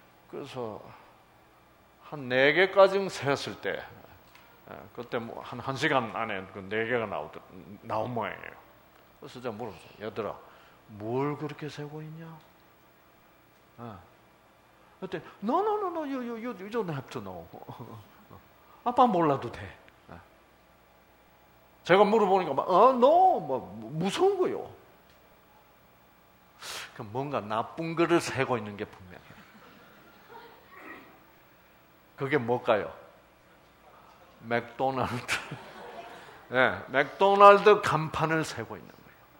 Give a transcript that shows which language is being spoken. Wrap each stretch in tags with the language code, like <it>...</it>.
<ko>그래서, 한 네 개까지 셌을 때, 그때 뭐 한 시간 안에 그 네 개가 나온 모양이에요. 그래서 제가 물었어요. 얘들아, 뭘 그렇게 세고 있냐? 그때</ko> <en>no, no, no, no, you don't have to know.</en> <ko>아빠 몰라도 돼. 제가 물어보니까 막, 어, 너 뭐 무서운 거요. 그럼 뭔가 나쁜 거를 세고 있는 게 분명해요. 그게 뭘까요? 맥도날드. 네, 맥도날드 간판을 세고 있는 거예요.</ko>